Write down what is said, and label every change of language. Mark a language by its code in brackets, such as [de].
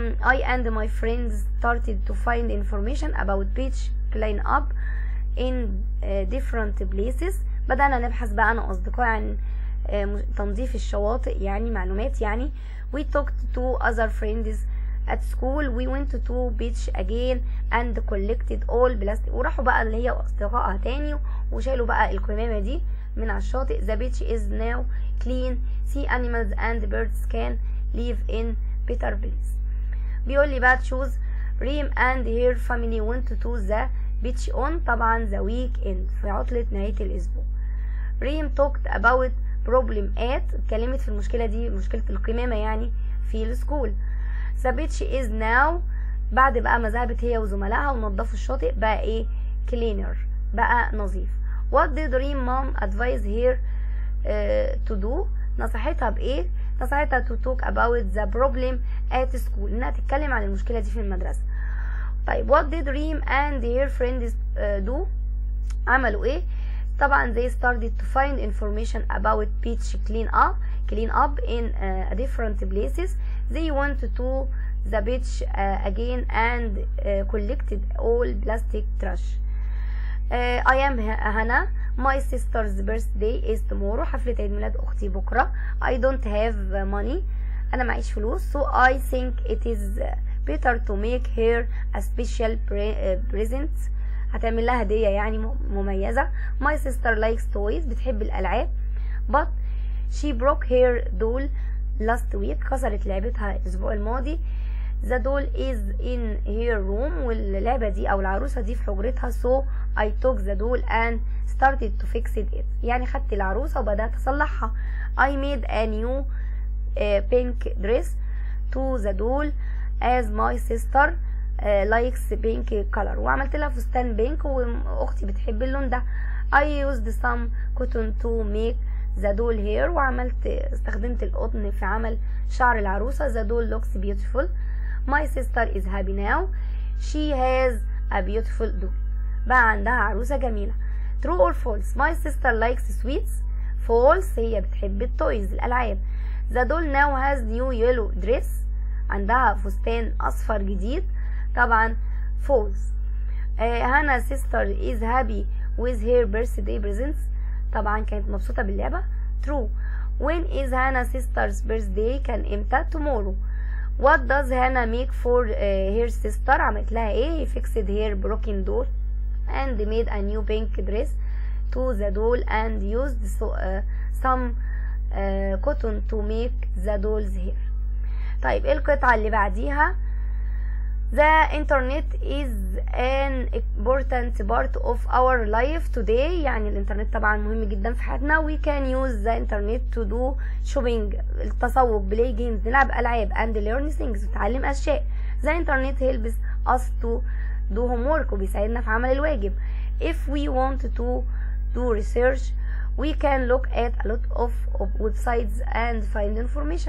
[en] I and my friends started to find information about beach clean up in different places. [ar] بدأنا نبحث بقى أنا وأصدقائي عن تنظيف الشواطئ يعني معلومات يعني. [en] We talked to other friends at school. We went to beach again and collected all plastic. [ar] وراحوا بقى اللي هي أصدقائها تاني وشالوا بقى الكمامة دي من على الشاطئ. [en] The beach is now clean. Sea animals and birds can live in better place. [ar] بيقول لي بقى تشوز. [en] Reem and her family went to the beach on طبعا the weekend [ar] في عطلة نهاية الأسبوع. ريم [en] talked about problem at [ar] اتكلمت في المشكلة دي مشكلة القمامة يعني في السكول. [en] The beach is now [ar] بعد بقى ما ذهبت هي وزملائها ونظفوا الشاطئ بقى ايه cleaner بقى نظيف. [en] What did Reem mom advise her to do. [ar] نصحتها بايه. نصحتها [en] to talk about the problem at school [ar] انها تتكلم عن المشكلة دي في المدرسة. [en] طيب what did Reem and her friends do. [ar] عملوا ايه. [en] طبعا they started to find information about beach clean up in different places. They went to the beach again and collected all plastic trash. I am Hannah. My sister's birthday is tomorrow. [ar] حفلة عيد ميلاد أختي بكرة. [en] I don't have money. [ar] أنا معيش فلوس. [en] So I think it is better to make her a special present. [ar] هتعمل لها هدية يعني مميزة. [en] My sister likes toys. [ar] بتحب الألعاب. [en] But she broke her doll last week. [ar] كسرت لعبتها الأسبوع الماضي. [en] The doll is in her room. [ar] واللعبة دي أو العروسة دي في حجرتها. [en] So I took the doll and started to fix it. [ar] يعني خدت العروسة وبدأت أصلحها. [en] I made a new pink dress to the doll as my sister likes pink color. [ar] وعملت لها فستان بينك وأختي بتحب اللون ده. [en] I used some cotton to make the doll hair. [ar] وعملت استخدمت القطن في عمل شعر العروسة. [en] The doll looks beautiful. My sister is happy now. She has a beautiful doll. [ar] بقى عندها عروسة جميلة. [en] True or false? My sister likes sweets. False. [ar] هي بتحب التويز الألعاب. [en] The doll now has new yellow dress. [ar] عندها فستان أصفر جديد. طبعا false. [en] Hannah's sister is happy with her birthday presents. [ar] طبعا كانت مبسوطة باللعبة. [en] True. When is Hannah's sister's birthday? [ar] كان امتى؟ [en] Tomorrow. What does Hannah make for her sister? [ar] عملت لها ايه؟ [en] He fixed her broken doll and made a new pink dress to the doll and used some cotton to make the doll's hair. [ar] طيب القطعة اللي بعديها. [en] The internet is an important part of our life today. [ar] يعني الانترنت طبعا مهم جدا في حياتنا. [en] We can use the internet to do shopping. التسوق, play games, [ar] نلعب ألعاب, [en] and learn things, [ar] نتعلم أشياء. [en] The internet helps us to do homework, [ar] وبيساعدنا في عمل الواجب. [en] If we want to do research, we can look at a lot of websites and find information.